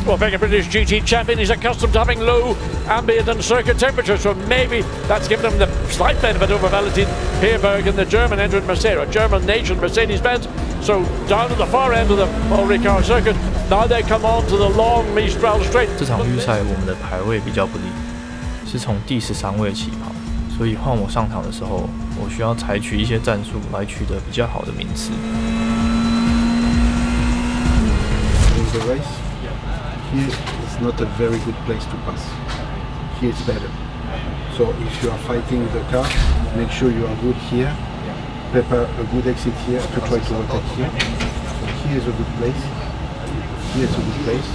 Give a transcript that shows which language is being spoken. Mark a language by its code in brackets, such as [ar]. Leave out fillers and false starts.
[en] Well, being a British GT champion, he's accustomed to having low ambient and circuit temperatures, so maybe that's given him the slight benefit over Valentin Pierberg and the German entrant Mercedes, a German nation Mercedes-Benz. So down at the far end of the Paul Ricard circuit, now they come on to the long Mistral straight. [zh] 这场预赛我们的排位比较不利，是从第十三位起跑，所以换我上场的时候，我需要采取一些战术来取得比较好的名次。 [en] The race here is not a very good place to pass. Here it's better. So if you are fighting with the car, make sure you are good here. Prepare a good exit here to try to attack here. So here is a good place. Here is a good place.